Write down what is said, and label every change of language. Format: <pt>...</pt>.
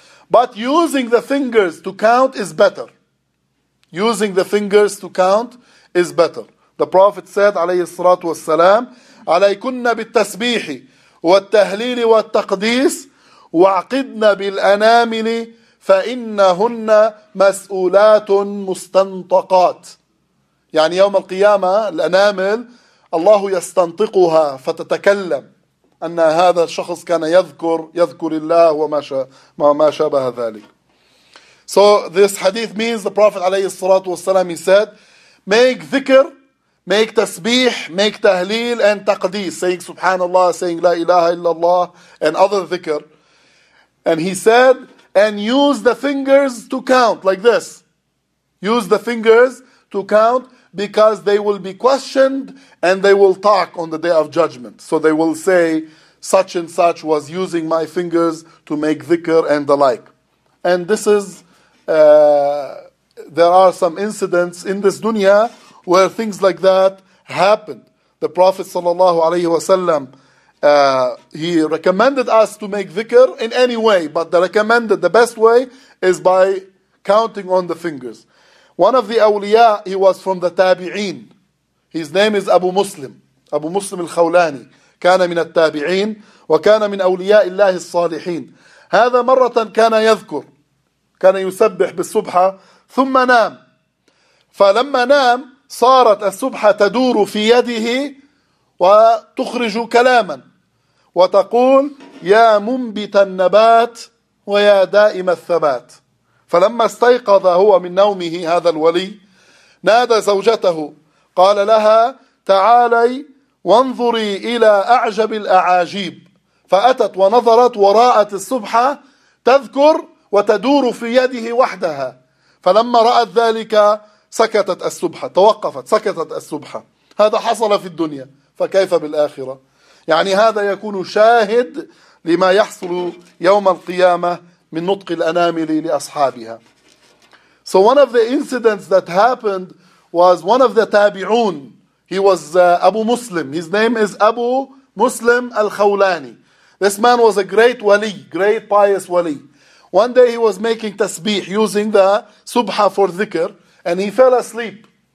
<en>But using the fingers to count is better. Using the fingers to count is better. The Prophet said,</en> <ar>alayhi salatu wasalam, عَلَيْكُنَّ بِالتَّسْبِيحِ وَالتَّهْلِيلِ وَالتَّقْدِيسِ وَعْقِدْنَا بِالْأَنَامِلِ فَإِنَّهُنَّ مَسْئُولَاتٌ مُسْتَنْطَقَاتٌ. يعني يوم القيامة الأنامل الله يستنطقها فتتكلم أن هذا الشخص كان يذكر الله وما شابه ذلك.</ar> <en>So this hadith means the Prophet</en> <ar>عليه الصلاة والسلام,</ar> <en>he said, make dhikr, make tasbih, make tahleel and taqdis, saying subhanallah, saying la ilaha illallah and other dhikr. And he said, and use the fingers to count like this. Use the fingers to count, because they will be questioned and they will talk on the day of judgment. So they will say, such and such was using my fingers to make dhikr and the like. And this is there are some incidents in this dunya where things like that happened. The Prophet sallallahu alayhi wa sallam, he recommended us to make dhikr in any way, but the recommended, the best way is by counting on the fingers. One of the awliya, he was from the tabi'een. His name is Abu Muslim. Abu Muslim al-Khawlani.</en> <ar>كان من التابعين وكان من أولياء الله الصالحين. هذا مرة كان يذكر كان يسبح بالسبحة ثم نام. فلما نام صارت السبحة تدور في يده وتخرج كلاما وتقول يا منبت النبات ويا دائم الثبات. فلما استيقظ هو من نومه هذا الولي نادى زوجته قال لها تعالي وانظري إلى أعجب الأعاجيب. فأتت ونظرت وراءت السبحة تذكر وتدور في يده وحدها. فلما رأت ذلك سكتت السبحة توقفت سكتت السبحة. هذا حصل في الدنيا فكيف بالآخرة؟ يعني هذا يكون شاهد لما يحصل يوم القيامة من نطق الأنامل لأصحابها.</ar> <en>So one of the incidents that happened was one of the تابعون. He was Abu Muslim. His name is Abu Muslim al-Khawlani. This man was a great wali, great pious wali. One day he was making tasbih using the subha for dhikr and he fell asleep.</en>